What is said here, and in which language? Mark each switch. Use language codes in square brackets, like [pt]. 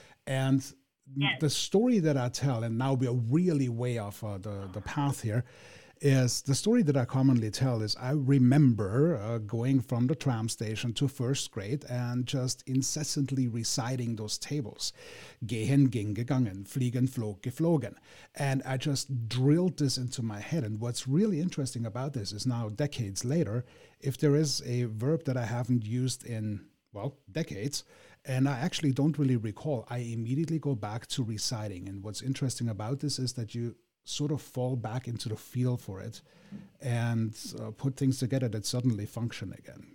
[en] And yes, the story that I tell, and now we are really way off the path here, is the story that I commonly tell is I remember going from the tram station to first grade and just incessantly reciting those tables. [de] Gehen, ging, gegangen, fliegen, flog, geflogen. [en] And I just drilled this into my head. And what's really interesting about this is now decades later, if there is a verb that I haven't used in, well, decades, and I actually don't really recall, I immediately go back to reciting. And what's interesting about this is that you sort of fall back into the feel for it and put things together that suddenly function again.